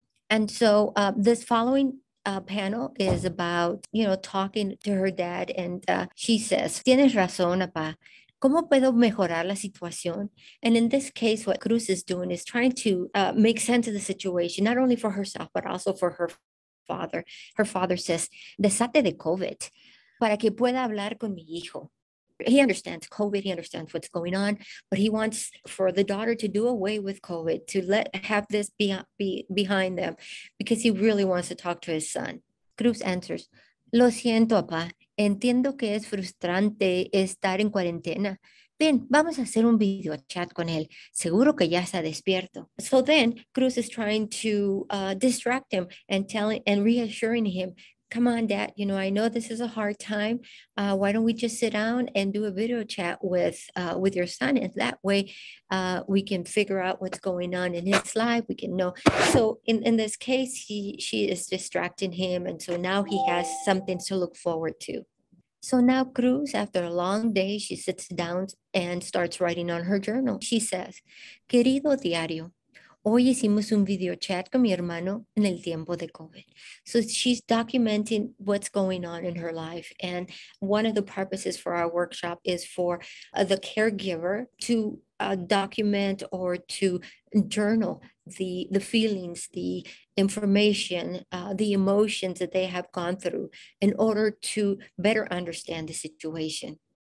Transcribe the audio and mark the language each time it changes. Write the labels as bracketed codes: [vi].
[en] And so this following panel is about, talking to her dad, and she says, [es] "Tienes razón, apa. ¿Cómo puedo mejorar la situación?" [en] And in this case, what Cruz is doing is trying to make sense of the situation, not only for herself, but also for her father. Her father says, [es] "Desate de COVID para que pueda hablar con mi hijo." [en] He understands COVID. He understands what's going on, but he wants for the daughter to do away with COVID, to let have this be behind them, because he really wants to talk to his son. Cruz answers, [es] "Lo siento, apa. Entiendo que es frustrante estar en cuarentena. Ven, vamos a hacer un video chat con él. Seguro que ya está despierto." [en] So then Cruz is trying to distract him and reassuring him, "Come on, Dad, I know this is a hard time. Why don't we just sit down and do a video chat with your son? And that way we can figure out what's going on in his life. We can know." So in this case, she is distracting him. And so now he has something to look forward to. So now Cruz, after a long day, she sits down and starts writing on her journal. She says, [es] "Querido diario, hoy hicimos un video chat con mi hermano en el tiempo de COVID." So she's documenting what's going on in her life. And one of the purposes for our workshop is for the caregiver to document or to journal the feelings, the information, the emotions that they have gone through in order to better understand the situation.